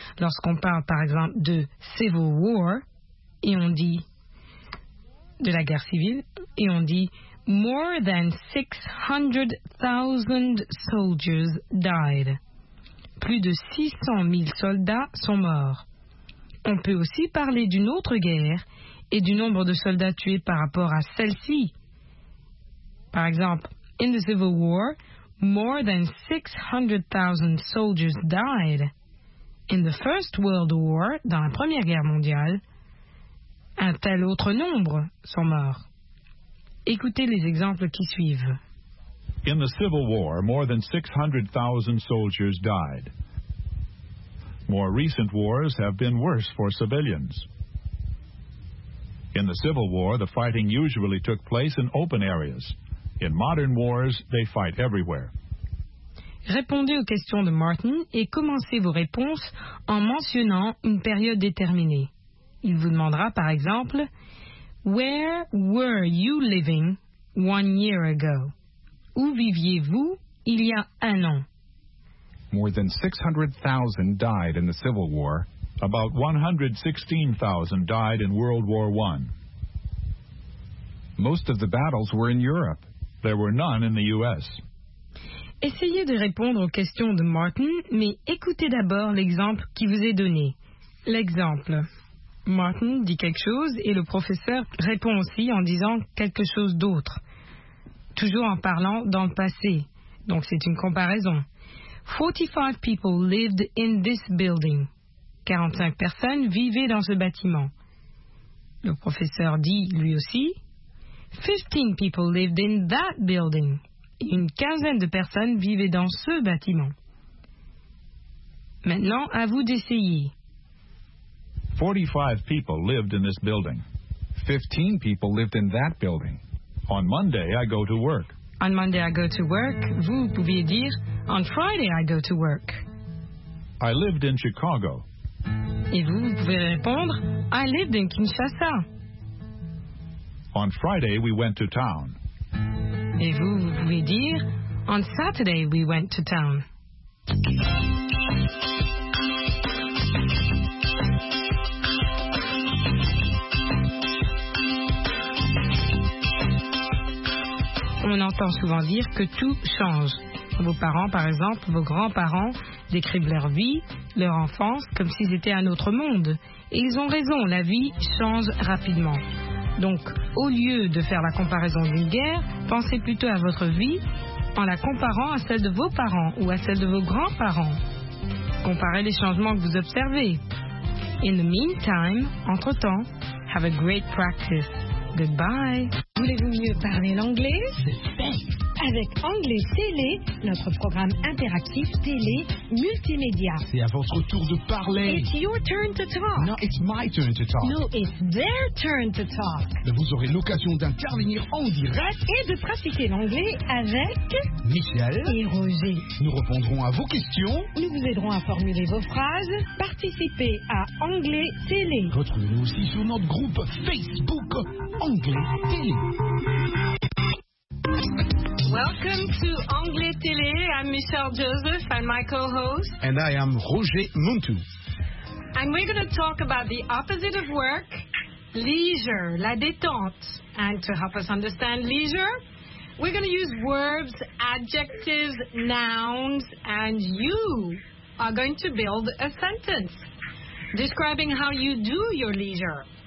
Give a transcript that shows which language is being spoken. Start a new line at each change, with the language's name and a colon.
French: Lorsqu'on parle, par exemple, de Civil War, et on dit de la guerre civile, et on dit
English: More than 600,000 soldiers died.
French: Plus de 600 000 soldats sont morts. On peut aussi parler d'une autre guerre et du nombre de soldats tués par rapport à celle-ci. Par exemple,
English: in the Civil War, more than 600,000 soldiers died. In the First World War,
French: dans la Première Guerre mondiale, un tel autre nombre sont morts. Écoutez les exemples qui suivent.
English: In the Civil War, more than 600,000 soldiers died. More recent wars have been worse for civilians. In the Civil War, the fighting usually took place in open areas. In modern wars, they fight everywhere.
French: Répondez aux questions de Martin et commencez vos réponses en mentionnant une période déterminée. Il vous demandera, par exemple,
English: Where were you living 1 year ago?
French: Où viviez-vous il y a un an?
English: More than 600,000 died in the Civil War. About 116,000 died in World War I. Most of the battles were in Europe. There were none in the U.S.
French: Essayez de répondre aux questions de Martin, mais écoutez d'abord l'exemple qui vous est donné. L'exemple. Martin dit quelque chose et le professeur répond aussi en disant quelque chose d'autre. Toujours en parlant dans le passé. Donc c'est une comparaison.
English: 45 people lived in this building.
French: 45 personnes vivaient dans ce bâtiment. Le professeur dit lui aussi
English: 15 people lived in that building.
French: Une quinzaine de personnes vivaient dans ce bâtiment. Maintenant, à vous d'essayer.
English: 45 people lived in this building. 15 people lived in that building. On Monday, I go to work. On Monday, I go to work.
French: Vous pouviez dire,
English: on Friday, I go to work. I lived in Chicago.
French: Et vous pouvez répondre,
English: I lived in Kinshasa. On Friday, we went to town.
French: Et vous pouvez dire,
English: on Saturday, we went to town.
French: On entend souvent dire que tout change. Vos parents, par exemple, vos grands-parents décrivent leur vie, leur enfance, comme si c'était un autre monde. Et ils ont raison, la vie change rapidement. Donc, au lieu de faire la comparaison d'une guerre, pensez plutôt à votre vie en la comparant à celle de vos parents ou à celle de vos grands-parents. Comparez les changements que vous observez.
English: In the meantime,
French: entre-temps,
English: have a great practice. Goodbye.
French: Voulez-vous mieux parler l'anglais? Avec Anglais Télé, notre programme interactif télé multimédia. C'est à votre tour de parler.
English: It's your turn to talk. No, it's my turn to talk. No, it's their turn to talk.
French: Vous aurez l'occasion d'intervenir en direct et de pratiquer l'anglais avec Michel et Roger. Nous répondrons à vos questions. Nous vous aiderons à formuler vos phrases. Participez à Anglais Télé. Retrouvez-nous aussi sur notre groupe Facebook Anglais Télé.
English: Welcome to Anglais Télé. I'm Michelle Joseph. I'm my co-host. And I am Roger Muntou. And we're going to talk about the opposite of work, leisure,
French: la détente.
English: And to help us understand leisure, we're going to use verbs, adjectives, nouns, and you are going to build a sentence describing how you do your leisure.